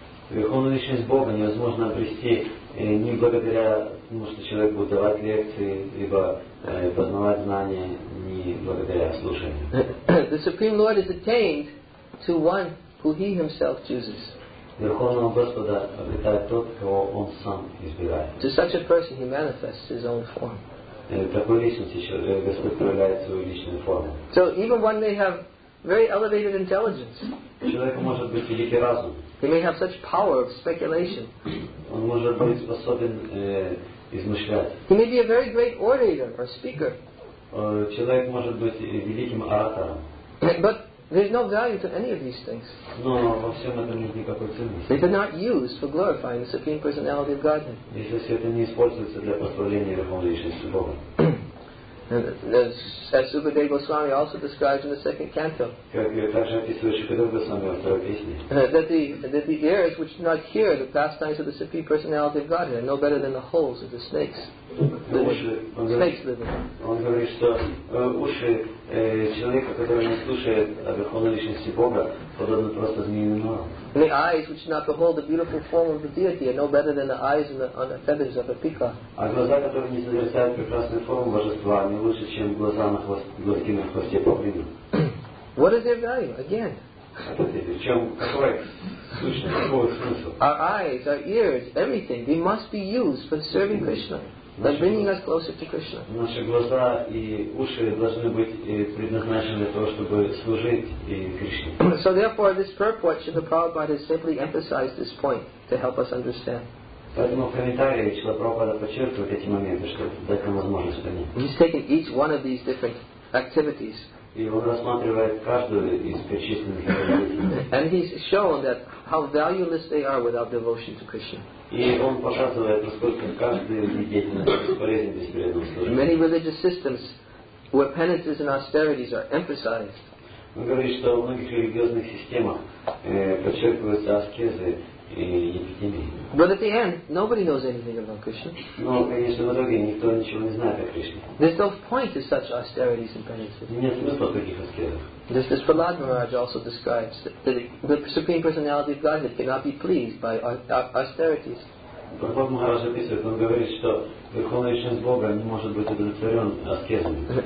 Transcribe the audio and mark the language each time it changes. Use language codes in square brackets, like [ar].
[ru] Верховную личность Бога невозможно обрести не благодаря тому, что человек будет давать лекции, либо познавать знания, не благодаря слушанию. [en] The Supreme Lord is attained to one who He Himself chooses. [ru] Верховного Господа обретает тот, кого Он Сам избирает. [en] To such a person He manifests His own form. [ru] Такой личности Господь проявляет свою личную форму. [en] So even one may have very elevated intelligence. [ru] Человек может быть великий разум. [en] He may have such power of speculation. [ru] Он может быть способен измышлять. [en] He may be a very great orator or speaker. [ru] Человек может быть великим оратором. [en] But there's no value to any of these things. [ru] Но во всем этом нет никакой ценности. [en] They cannot be used for glorifying the Supreme Personality of Godhead. [ru] Если все это не используется для прославления Верховной Личности Бога. [en] As Subhadeva Goswami also describes in the second canto, that the ears which do not hear the pastimes of the Supreme Personality of Godhead are no better than the holes of the snakes. [ru] Он говорит, что уши человека, который не слушает о Верховной Личности Бога, подобны просто змеиным норам. [en] The eyes which do not behold the beautiful form of the deity are no better than the eyes on the feathers of a peacock. [ru] А глаза, которые не созерцают прекрасную форму божества, не лучше, чем глаза на хвосте павлина. [en] What is their value? Again. Our eyes, our ears, everything, they must be used for serving Krishna. That's bringing us closer to Krishna. [ru] Наши глаза и уши должны быть предназначены для того, чтобы служить Кришне. [en] So therefore, this purport Srila Prabhupada has simply emphasized this point to help us understand. [ru] Поэтому в комментарии Srila Prabhupada подчеркивает эти моменты, чтобы дать нам возможность понять. [en] He's taken each one of these different activities. [ru] И он рассматривает каждую из перечисленных деятельностей. [en] And he's shown that how valueless they are without devotion to Krishna. [ru] И он показывает, насколько каждая деятельность бесполезна без преданного служения. [en] Many religious systems where penances and austerities are emphasized. [ru] Он говорит, что в многих религиозных системах подчеркиваются аскезы и епитимии. [en] But at the end, nobody knows anything about Krishna. [ru] Но, конечно, в итоге никто ничего не знает о Кришне. [en] There's no point to such austerities and penances. [ru] Нет смысла в таких аскезах. [en] This is Prahlad Maharaj also describes that the Supreme Personality of Godhead cannot be pleased by austerities. [ru] Prahlad Maharaj описывает, он говорит, что Верховная Личность Бога не может быть удовлетворен аскезами.